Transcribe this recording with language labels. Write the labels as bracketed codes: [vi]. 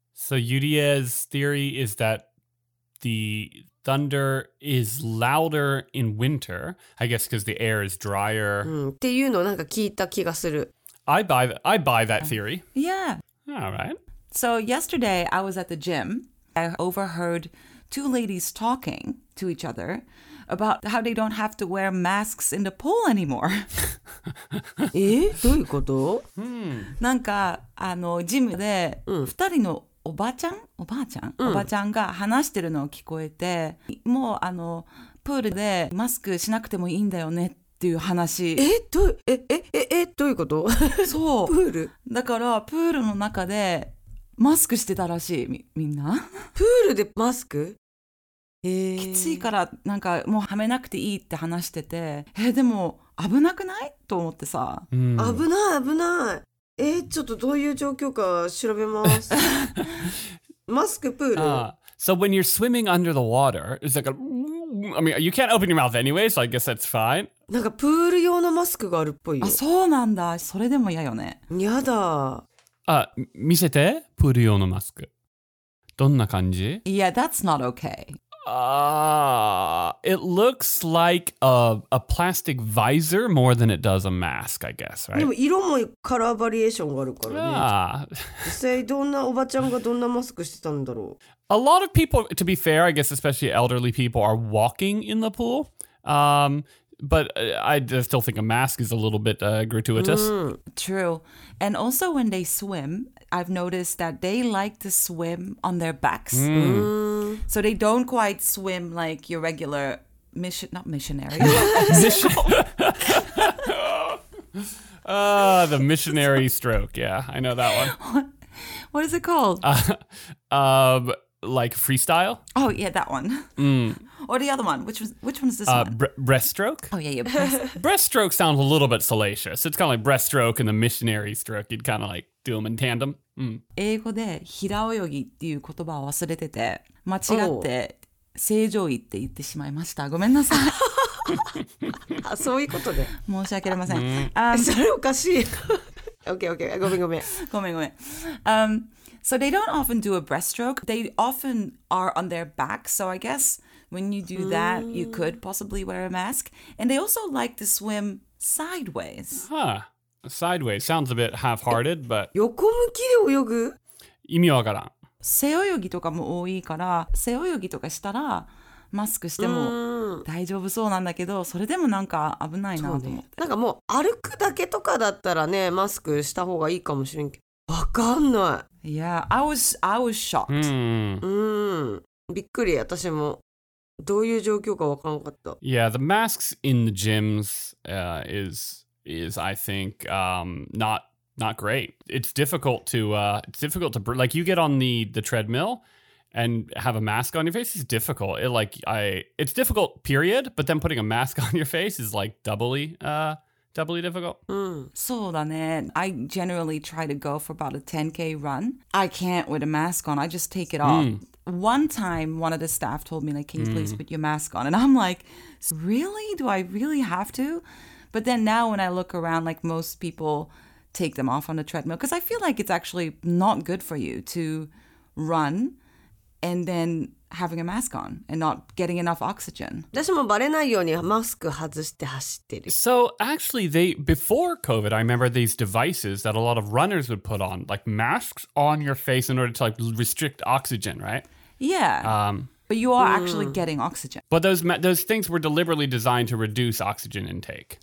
[en] So Yuria's theory is that the thunder is louder in winter, I guess because the air is drier. [ja] っていうのをなんか聞いた気がする。 [en] I buy that theory. Yeah. All right. So yesterday I was at the gym. I overheard two ladies talking to each other about how they don't have to wear masks in the pool anymore. [ja] え？どういうこと？なんかあのジムで2人のおばあちゃん、おばあちゃん、おばあちゃんが話してるのを聞こえて、もうあのプールでマスクしなくてもいいんだよねっていう話。どういうこと？そう。プール。だからプールの中でマスクしてたらしい みんな。プールでマスク？きついからなんかもうはめなくていいって話してて、でも危なくない？と思ってさ。危ない危ない。ちょっとどういう状況か調べます。マスクプール。 [en] So when you're swimming under the water, it's like a, I mean, you can't open your mouth anyway, so I guess that's fine. [ja] なんかプール用のマスクがあるっぽいよ。あ、そうなんだ。それでも嫌よね。嫌だ。見せて、プール用のマスク。どんな感じ？ [en] Yeah, that's not okay. It looks like a plastic visor more than it does a mask, I guess, right? [ja] でも色もカラーバリエーションがあるからね。実際どんなおばちゃんがどんなマスクしてたんだろう。 [en] A lot of people, to be fair, I guess especially elderly people, are walking in the pool. But I still think a mask is a little bit gratuitous. True. And also when they swim, I've noticed that they like to swim on their backs. So they don't quite swim like your regular mission, not missionary. the missionary stroke. Yeah, I know that one. What is it called? Like freestyle? Oh, yeah, that one. Mm. Or the other one. Which one is this one? Breaststroke? Oh, yeah, yeah. Breaststroke sounds a little bit salacious. It's kind of like breaststroke and the missionary stroke. You'd kind of like do them in tandem. Mm. [ja] 英語で平泳ぎっていう言葉を忘れてて、間違って正常位って言ってしまいました。ごめんなさい。あ、そういうことで。申し訳ありません。それおかしい。 [en] Okay, okay. [ja] ごめんごめん。ごめんごめん。 [en] So they don't often do a breaststroke. They often are on their back. So I guess when you do that, you could possibly wear a mask. And they also like to swim sideways. Huh. Sideways. Sounds a bit half-hearted, but... [ja] 横向きで泳ぐ? 意味わからん。背泳ぎとかも多いから、背泳ぎとかしたらマスクしても大丈夫そうなんだけど、それでもなんか危ないなと思って。なんかもう歩くだけとかだったらね、マスクした方がいいかもしれんけど。わかんない。 [en] Yeah, I was shocked. Mm. [ja] びっくり、私もどういう状況かわからなかった。 [en] Yeah, the masks in the gyms is I think not great. It's difficult to like you get on the treadmill and have a mask on your face is difficult. It's difficult, period, but then putting a mask on your face is like doubly difficult. Mm. [ja] そうだね。 [en] I generally try to go for about a 10K run. I can't with a mask on. I just take it off. Mm. One time, one of the staff told me, like, can you please put your mask on? And I'm like, really? Do I really have to? But then now when I look around, like most people take them off on the treadmill, because I feel like it's actually not good for you to run and then having a mask on and not getting enough oxygen. [ja] 私もバレないようにマスク外して走ってる。 [en] So actually before COVID, I remember these devices that a lot of runners would put on, like masks on your face in order to like restrict oxygen, right? Yeah, but you are actually getting oxygen. But those things were deliberately designed to reduce oxygen intake.